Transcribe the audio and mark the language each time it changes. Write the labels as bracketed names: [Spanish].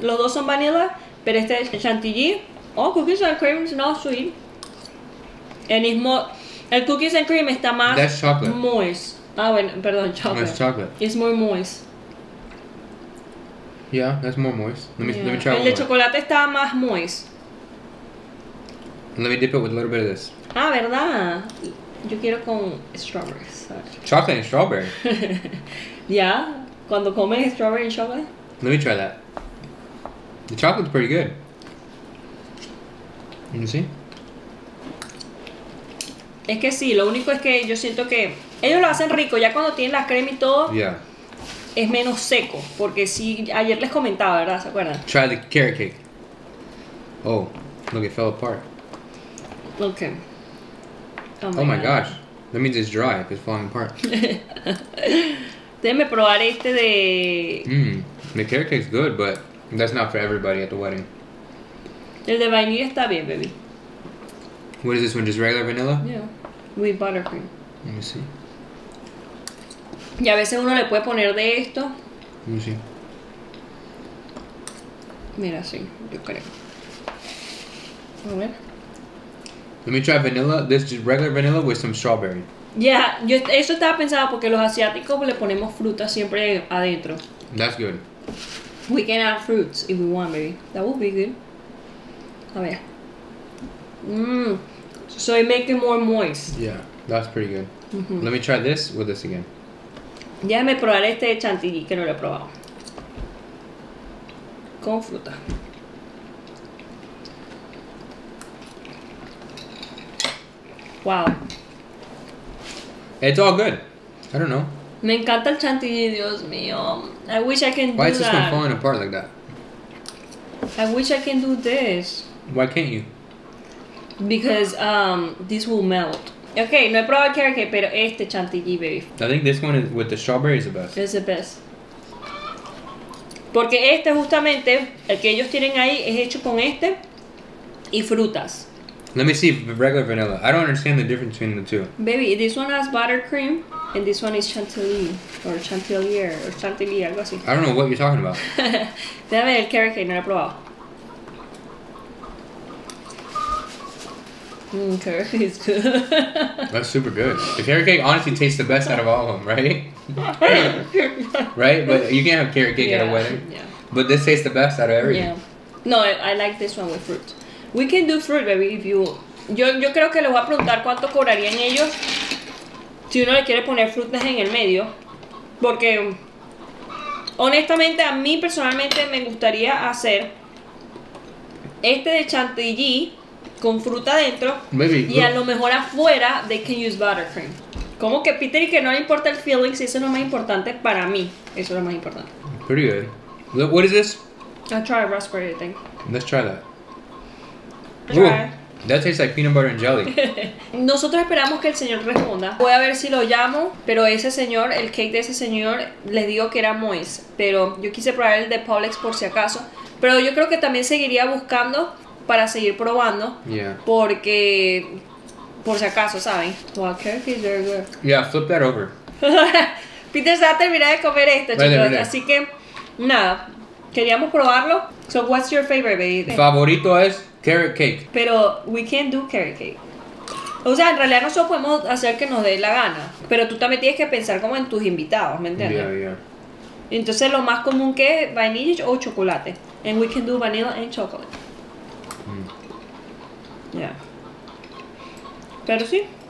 [Spanish] Los dos son vanilla, pero este es chantilly. [English] Oh, cookies and cream is not sweet. And it's more, [Spanish] el cookies and cream está más [English] That's chocolate. [Spanish] Moist. Ah, bueno, perdón, chocolate. [English] It's chocolate. It's more moist. Yeah, that's more moist. Let me try [Spanish] el [English] one [Spanish] El de chocolate está más moist. [English] Let me dip it with a little bit of this. [Spanish] Ah, verdad. Yo quiero con strawberries. [English] Chocolate and strawberry. Yeah, [Spanish] cuando comes [English] strawberry and chocolate. Let me try that. The chocolate's pretty good. You see? [Spanish] Es que sí, lo único es que yo siento que ellos lo hacen rico. Ya cuando tienen la crema y todo. [English] Yeah. [Spanish] Es menos seco, porque sí, ayer les comentaba, ¿verdad? ¿Se acuerdan? [English] Try the carrot cake. Oh, look, it fell apart. Okay. Oh my gosh. That means it's dry, if it's falling apart. [Spanish] Déjenme probar este de... [English] The carrot cake's good, but that's not for everybody at the wedding. [Spanish] El de vainilla está bien, baby. [English] What is this one, just regular vanilla? Yeah, with buttercream. Let me see. [Spanish] Y a veces uno le puede poner de esto. Sí. Mira, sí, yo creo. A ver. [English] Let me try vanilla. This is regular vanilla with some strawberry. [Spanish] Yeah, yo eso estaba pensado porque los asiáticos le ponemos fruta siempre adentro. [English] That's good. We can add fruits if we want, baby. That would be good. [Spanish] A ver. [English] So it makes it more moist. Yeah, that's pretty good. Let me try this with this again. [Spanish] Déjame probar este chantilly que no lo he probado. Con fruta. [English] Wow. It's all good. I don't know. [Spanish] Me encanta el chantilly, Dios mío. [English] I wish I can do that. Why is this one falling apart like that? I wish I can do this. Why can't you? Because this will melt. Okay, [Spanish] no he probado el carrot cake, pero este chantilly, baby. [English] I think this one is with the strawberry is the best. It's the best. [Spanish] Porque este justamente, el que ellos tienen ahí, es hecho con este y frutas. [English] Let me see if regular vanilla. I don't understand the difference between the two. Baby, this one has buttercream and this one is chantilly. Or chantillier, or chantilly, [Spanish] algo así. [English] I don't know what you're talking about. [Spanish] Déjame el carrot cake, no lo he probado. [English] Carrot cake is good. That's super good. The carrot cake honestly tastes the best out of all of them, right? Right? But you can't have carrot cake at a wedding. Yeah. But this tastes the best out of everything. Yeah. No, I like this one with fruit. We can do fruit, baby, if you... [Spanish] Yo creo que le voy a preguntar cuánto cobrarían ellos si uno le quiere poner frutas en el medio. Porque, honestamente, a mí personalmente me gustaría hacer este de chantilly con fruta dentro. [English] Maybe. [Spanish] Y a lo mejor afuera [English] they can use buttercream. [Spanish] Como que Peter y que no le importa el feeling, si eso es lo más importante para mí. Eso es lo más importante. [English] Pretty good. Look, what is this? I'll try a raspberry thing. Let's try that. Try. Ooh, that tastes like peanut butter and jelly. [Spanish] Nosotros esperamos que el señor responda. Voy a ver si lo llamo, pero ese señor, el cake de ese señor, les digo que era moist, pero yo quise probar el de Publix por si acaso, pero yo creo que también seguiría buscando para seguir probando. [English] Yeah. [Spanish] Porque por si acaso, ¿saben? [English] Wow, carrot cake is very good. Yeah, flip that over. [Spanish] Peter se va a terminar de comer esto, chicos. [English] Right there. [Spanish] Así que nada, queríamos probarlo. [English] So what's your favorite, baby? [Spanish] Favorito es carrot cake. Pero [English] we can't do carrot cake. [Spanish] O sea, en realidad nosotros podemos hacer que nos dé la gana, pero tú también tienes que pensar como en tus invitados, ¿me entiendes? [English] Yeah, yeah. [Spanish] Entonces, lo más común que es vainilla o chocolate. [English] And we can do vanilla and chocolate. Mm. Yeah. [Spanish] Pero sí.